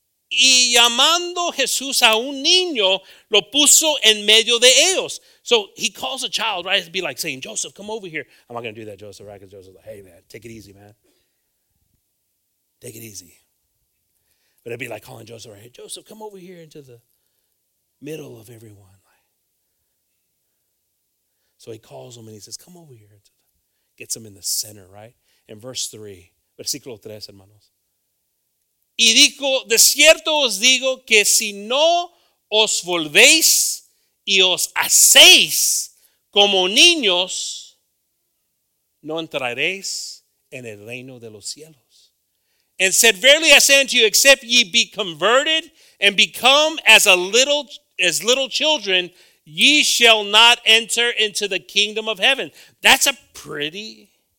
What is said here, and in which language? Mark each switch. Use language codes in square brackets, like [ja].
[es] Y llamando Jesús a un niño, lo puso en medio de ellos. [en] So he calls a child, right? It'd be like saying, Joseph, come over here. I'm not going to do that, Joseph, right? Because Joseph's like, hey, man, take it easy, man. Take it easy. But it'd be like calling Joseph, right? Hey, Joseph, come over here into the middle of everyone. So he calls him and he says, come over here. Gets him in the center, right? In verse 3, [es] versículo 3, hermanos. Y dijo, de cierto os digo que si no os volvéis y os hacéis como niños, no entraréis en el reino de los cielos. [en] And said, verily I say unto you, except ye be converted and become as little children, ye shall not enter into the kingdom of heaven. That's a pretty...